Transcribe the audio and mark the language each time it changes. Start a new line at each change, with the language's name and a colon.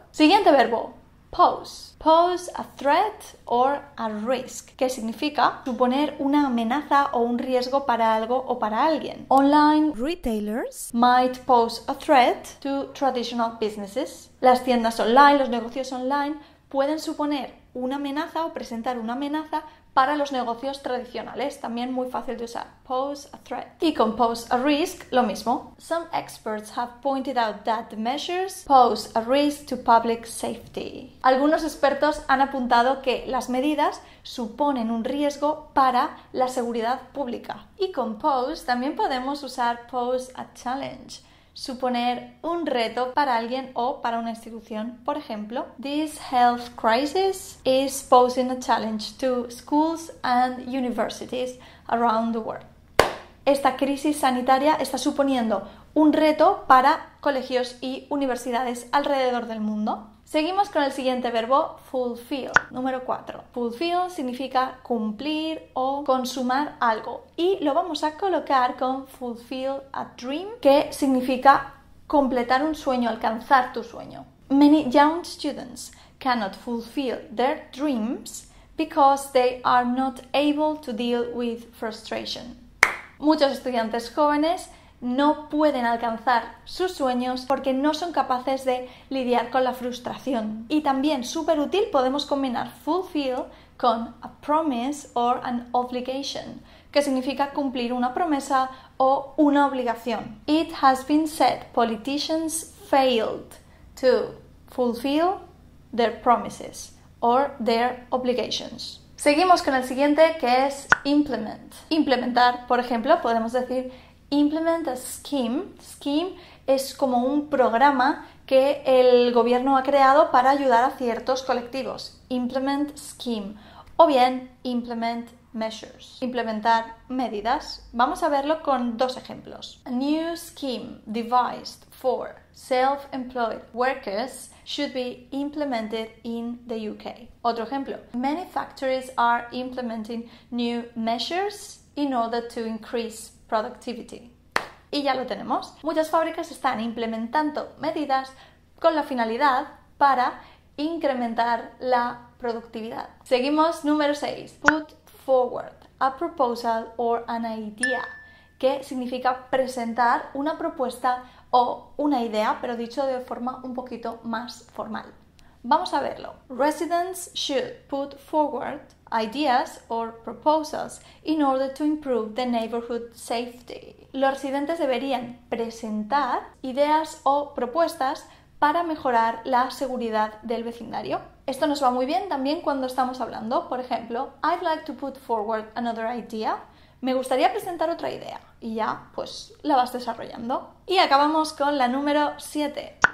Spanish: Siguiente verbo, pose.
English: Pose a threat or a risk,
Spanish: que significa suponer una amenaza o un riesgo para algo o para alguien.
English: Online retailers might pose a threat to traditional businesses.
Spanish: Las tiendas online, los negocios online, pueden suponer una amenaza o presentar una amenaza para los negocios tradicionales. También muy fácil de usar.
English: Pose a threat.
Spanish: Y con
English: pose a risk,
Spanish: lo mismo.
English: Some experts have pointed out that the measures pose a risk to public safety.
Spanish: Algunos expertos han apuntado que las medidas suponen un riesgo para la seguridad pública. Y con pose también podemos usar
English: pose a challenge.
Spanish: Suponer un reto para alguien o para una institución, por ejemplo.
English: This health crisis is posing a challenge to schools and universities around the world.
Spanish: Esta crisis sanitaria está suponiendo un reto para colegios y universidades alrededor del mundo. Seguimos con el siguiente verbo, fulfill, número 4. Fulfill significa cumplir o consumar algo. Y lo vamos a colocar con
English: fulfill a dream,
Spanish: que significa completar un sueño, alcanzar tu sueño.
English: Many young students cannot fulfill their dreams because they are not able to deal with frustration.
Spanish: Muchos estudiantes jóvenes no pueden alcanzar sus sueños porque no son capaces de lidiar con la frustración. Y también, súper útil, podemos combinar fulfill con
English: a promise or an obligation,
Spanish: que significa cumplir una promesa o una obligación.
English: It has been said politicians failed to fulfill their promises or their obligations.
Spanish: Seguimos con el siguiente, que es implement. Implementar, por ejemplo, podemos decir
English: implement a scheme.
Spanish: Scheme es como un programa que el gobierno ha creado para ayudar a ciertos colectivos.
English: Implement scheme.
Spanish: O bien,
English: implement measures.
Spanish: Implementar medidas. Vamos a verlo con dos ejemplos.
English: A new scheme devised for self-employed workers should be implemented in the UK.
Spanish: Otro ejemplo.
English: Many factories are implementing new measures in order to increase productivity.
Spanish: Y ya lo tenemos. Muchas fábricas están implementando medidas con la finalidad para incrementar la productividad. Seguimos, número 6.
English: Put forward a proposal or an idea,
Spanish: que significa presentar una propuesta o una idea, pero dicho de forma un poquito más formal. Vamos a verlo.
English: Residents should put forward ideas or proposals in order to improve the neighborhood safety.
Spanish: Los residentes deberían presentar ideas o propuestas para mejorar la seguridad del vecindario. Esto nos va muy bien también cuando estamos hablando. Por ejemplo,
English: I'd like to put forward another idea.
Spanish: Me gustaría presentar otra idea. Y ya, pues, la vas desarrollando. Y acabamos con la número 7.